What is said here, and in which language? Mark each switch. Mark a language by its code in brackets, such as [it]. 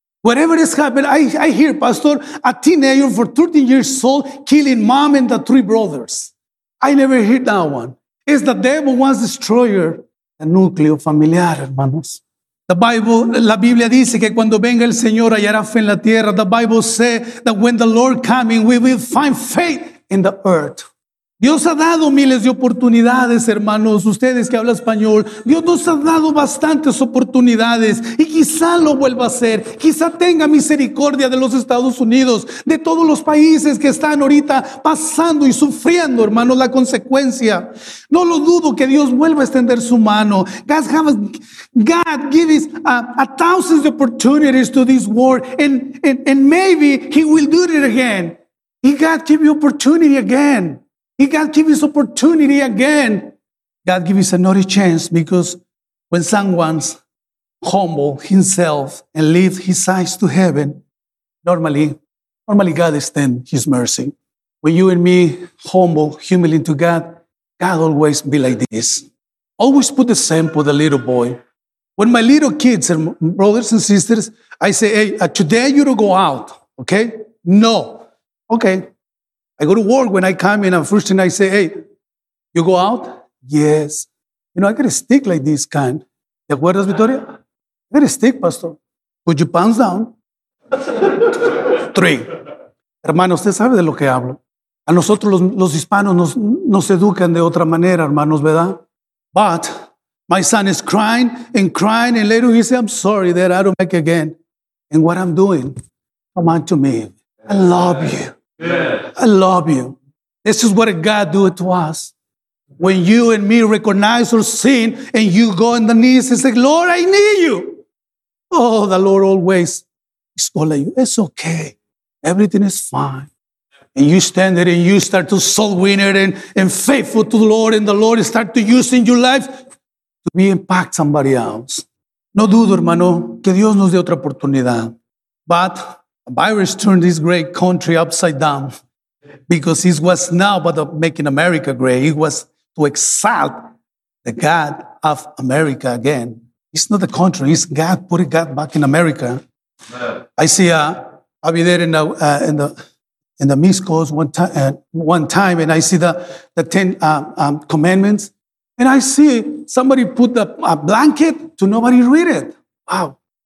[en] Whatever is happening, I hear, Pastor, a teenager for 13 years old killing mom and the 3 brothers. I never hear that one. It's the devil wants to destroy her. [es] The núcleo familiar, hermanos. [en] The Bible, [es] la Biblia dice que cuando venga el Señor hallará fe en la tierra. [en] The Bible say that when the Lord coming, we will find faith in the earth. [es] Dios ha dado miles de oportunidades, hermanos, ustedes que hablan español. Dios nos ha dado bastantes oportunidades y quizá lo vuelva a hacer. Quizá tenga misericordia de los Estados Unidos, de todos los países que están ahorita pasando y sufriendo, hermanos, la consecuencia. No lo dudo que Dios vuelva a extender su mano. [en] God gives a thousands of opportunities to this world and maybe he will do it again. He God give you opportunity again. He God give his opportunity again. God give us another chance because when someone humble himself and lift his eyes to heaven, normally God extend his mercy. When you and me humble, humiliate to God, God always be like this. Always put the same for the little boy. When my little kids and brothers and sisters, I say, hey, today you don't go out, okay? No. Okay. I go to work when I come in and first thing I say, hey, you go out? Yes. You know, I got a stick like this kind. [es] ¿Te acuerdas, [en] Victoria? I got a stick, Pastor. Put your pants down. 3. [es] Hermano, usted sabe de lo que hablo. A nosotros los hispanos nos educan de otra manera, hermanos, ¿verdad? [en] But my son is crying and later he says, I'm sorry that I don't make it again. And what I'm doing, come on to me. I love you. Yes. I love you. This is what God do to us. When you and me recognize our sin and you go on the knees and say, Lord, I need you. Oh, the Lord always is calling you. It's okay. Everything is fine. And you stand there and you start to soul winner and faithful to the Lord, and the Lord start to use in your life to be impact somebody else. [es] No dudo, hermano, que Dios nos dé otra oportunidad. [en] But a virus turned this great country upside down, because it was now about making America great. It was to exalt the God of America again. It's not the country, it's God putting God back in America. Yeah. I see I'll be there in the Mist Coast one time, and I see the Ten Commandments, and I see somebody put a blanket to nobody read it. Wow.